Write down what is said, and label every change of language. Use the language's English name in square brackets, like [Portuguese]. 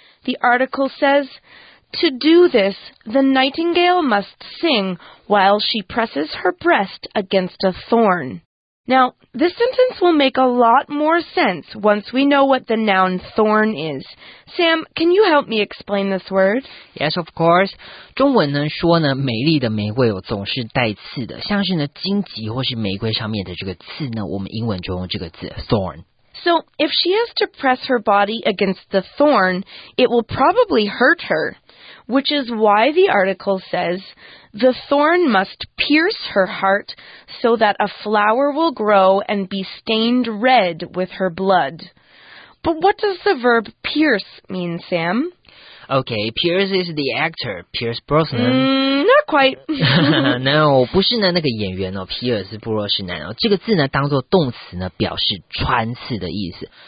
[English] The article says, to do this, the nightingale must sing while she presses her breast against a thorn. Now, this sentence will make a lot more sense once we know what the noun thorn is. Sam, can you help me explain this word? Yes, of course. [Chinese] 中文呢说呢美丽的玫瑰总是带刺的，像是呢荆棘或是玫瑰上面的这个刺呢，我们英文就用这个字 thorn。 [English] So, if she has to press her body against the thorn, it will probably hurt her. Which is why the article says, the thorn must pierce her heart so that a flower will grow and be stained red with her blood. But what does the verb pierce mean, Sam? Okay, Pierce is the actor, Pierce Brosnan. Not quite. [Chinese] No, 不是呢那个演员哦，皮尔斯布洛什南哦。这个字呢当作动词呢表示穿刺的意思。